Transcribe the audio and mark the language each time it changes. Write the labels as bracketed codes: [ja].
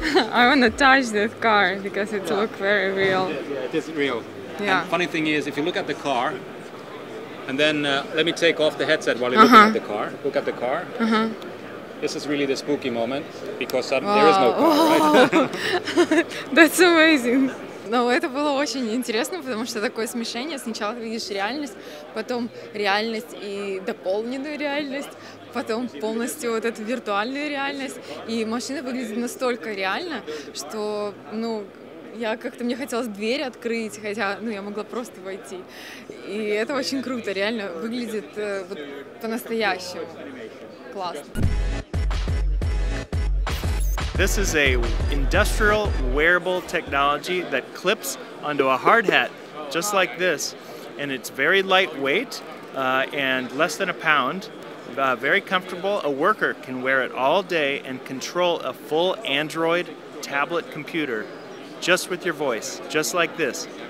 [en] I want to touch this car because it looks very real. It is real. Yeah. And funny thing is, if you look at the car, and then let me take off the headset while you're uh-huh. looking at the car. Look at the car. Uh-huh. This is really the spooky moment because there is no car. That's amazing. [ru] Но это было очень интересно, потому что такое смешение. Сначала ты видишь реальность, потом реальность и дополненную реальность, потом полностью вот эту виртуальную реальность. И машина выглядит настолько реально, что, ну, я как-то, мне хотелось дверь открыть, хотя, ну, я могла просто войти. И это очень круто, реально выглядит вот, по-настоящему. Классно. [en] This is a industrial wearable technology that clips onto a hard hat, just like this. And it's very lightweight and less than a pound, very comfortable. A worker can wear it all day and control a full Android tablet computer just with your voice, just like this.